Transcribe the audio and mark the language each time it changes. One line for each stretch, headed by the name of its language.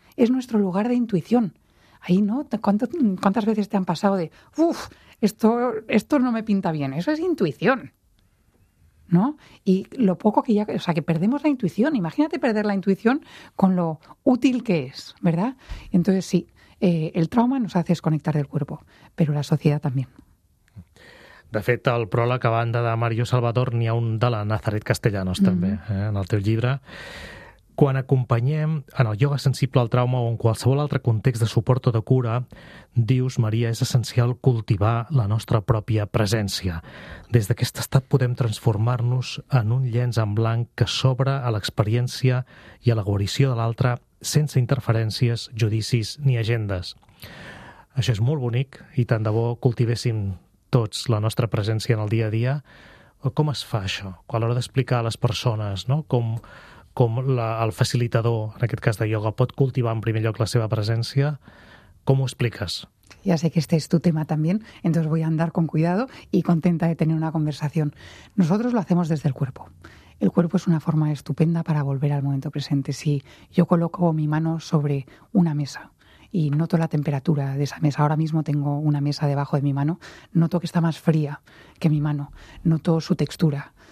Spanish: Es nuestro lugar de intuición. Ahí, ¿no? ¿Cuántas veces te han pasado de, uff, esto no me pinta bien? Eso es intuición, ¿no? Y lo poco que ya... O sea, que perdemos la intuición. Imagínate perder la intuición con lo útil que es, ¿verdad? Entonces, sí, el trauma nos hace desconectar del cuerpo, pero la sociedad también.
Catalan: De fet, el pròleg a banda de Mario Salvador n'hi ha un de la Nazaret Castellanos, també, en el teu llibre. Quan acompanyem en el ioga sensible al trauma o en qualsevol altre context de suport o de cura, dius, Maria, és essencial cultivar la nostra pròpia presència. Des d'aquest estat podem transformar-nos en un llenç en blanc que s'obre a l'experiència i a la guarició de l'altre sense interferències, judicis ni agendes. Això és molt bonic i tant de bo cultivéssim tots la nostra presència en el dia a dia. Com es fa això? A l'hora d'explicar a les persones, no? com el facilitador, en aquest cas de ioga, pot cultivar en primer lloc la seva presència, com ho expliques?
Spanish: Ja sé que este es tu tema también, entonces voy a andar con cuidado y contenta de tener una conversación. Nosotros lo hacemos desde el cuerpo. El cuerpo es una forma estupenda para volver al momento presente. Si yo coloco mi mano sobre una mesa y noto la temperatura de esa mesa, ahora mismo tengo una mesa debajo de mi mano, noto que está más fría que mi mano, noto su textura.